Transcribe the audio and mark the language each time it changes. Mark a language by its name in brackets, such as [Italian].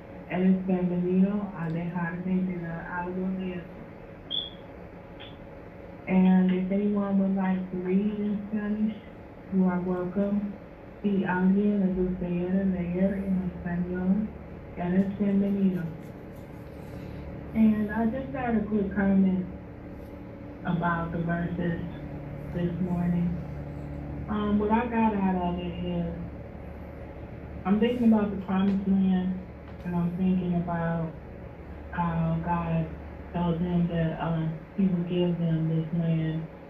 [Spanish] Eres bienvenido a dejarme de dar algo de eso. [English] And if anyone would like to read in Spanish, you are welcome. [Spanish] Si alguien le gustaría leer en español, eres bienvenido. [English] And I just had a quick comment about the verses this morning. What I got out of it is, I'm thinking about the promised land, and I'm thinking about how God tells them that he will give them this land.